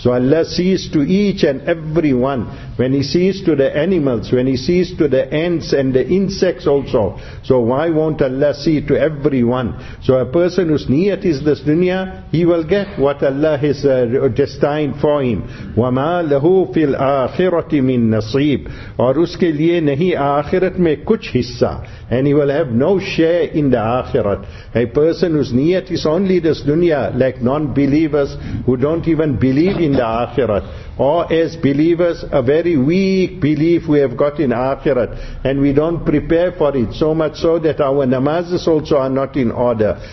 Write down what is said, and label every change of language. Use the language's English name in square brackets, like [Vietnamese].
[English] So Allah sees to each and every one. When he sees to the animals, when he sees to the ants and the insects also, so why won't Allah see to everyone? So a person whose niyat is this dunya, he will get what Allah has destined for him. [Arabic] وَمَا لَهُ فِي الْآخِرَةِ مِن نَصِيبٍ, [Urdu] اور اس کے لئے نہیں آخرت میں کچھ حصہ, [English] and he will have no share in the akhirat. A person whose niyat is only this dunya, like non-believers who don't even believe in the akhirat, or as believers, a very weak belief we have got in Akhirat, and we don't prepare for it, so much so that our namazes also are not in order.